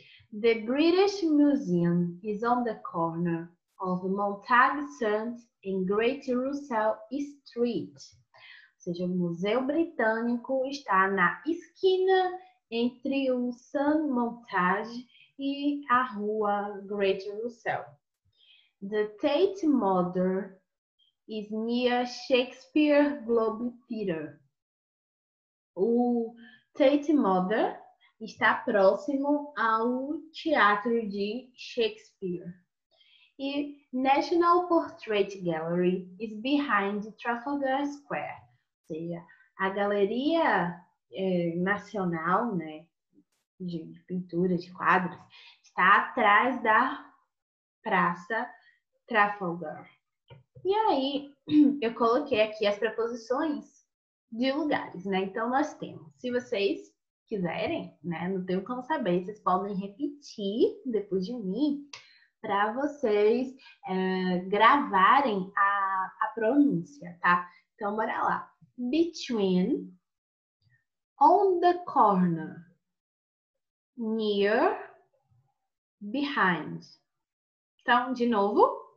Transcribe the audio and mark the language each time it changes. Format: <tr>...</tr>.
<en>The British Museum is on the corner of Montague Sands and Great Russell Street.</en> <pt>Ou seja, o Museu Britânico está na esquina entre o Sam Montague e a rua Great Russell.</pt> <en>The Tate Modern is near Shakespeare Globe Theatre.</en> <pt>O Tate Modern está próximo ao Teatro de Shakespeare.</pt> <en>E National Portrait Gallery is behind Trafalgar Square.</en> <pt>Ou seja, a Galeria Nacional, né, de pintura, de quadros, está atrás da Praça Trafalgar. E aí, eu coloquei aqui as preposições de lugares, né? Então, nós temos, se vocês quiserem, né, não tenho como saber, vocês podem repetir depois de mim, para vocês gravarem a pronúncia, tá? Então, bora lá.</pt> <en>Between, on the corner, near, behind.</en> <pt>Então, de novo,</pt>